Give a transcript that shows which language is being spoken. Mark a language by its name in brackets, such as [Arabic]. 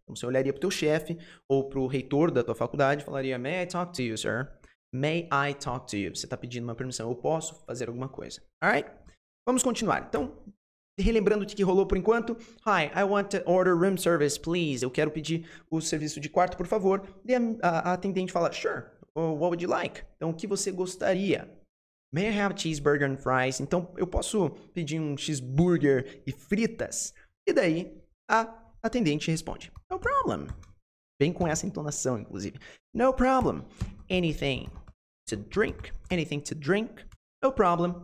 [Portuguese] Então, você olharia para o teu chefe ou para o reitor da tua faculdade e falaria, [English] may I talk to you, sir? May I talk to you? [Portuguese] Você está pedindo uma permissão. Eu posso fazer alguma coisa. [English] Alright? [Portuguese] Vamos continuar. Então, relembrando o que rolou por enquanto. [English] Hi, I want to order room service, please. [Portuguese] Eu quero pedir o serviço de quarto, por favor. E a atendente fala, [English] sure, well, what would you like? [Portuguese] Então, o que você gostaria? [English] May I have cheeseburger and fries? [Portuguese] Então, eu posso pedir um cheeseburger e fritas? E daí, a atendente responde, [English] no problem. [Portuguese] Vem com essa entonação, inclusive. [English] No problem. Anything to drink? Anything to drink? No problem.